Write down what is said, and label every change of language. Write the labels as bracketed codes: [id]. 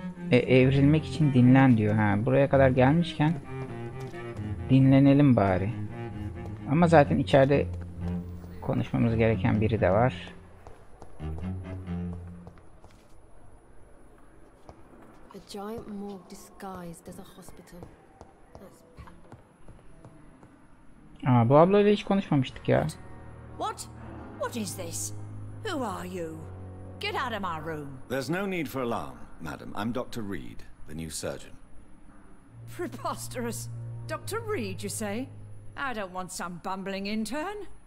[tr] Evrilmek için dinlen diyor. Ha, buraya kadar gelmişken dinlenelim bari. Ama zaten içeride konuşmamız gereken biri de var. [en] Giant morgue disguised as a hospital. [tr] Ah, bu ablayla hiç konuşmamıştık ya. [en] What? What is this? Who are you? Get out of my room. There's no need for alarm, madam. I'm Dr. Reed, the new surgeon. Preposterous. Dr. Reed, you say? I don't want some bumbling intern.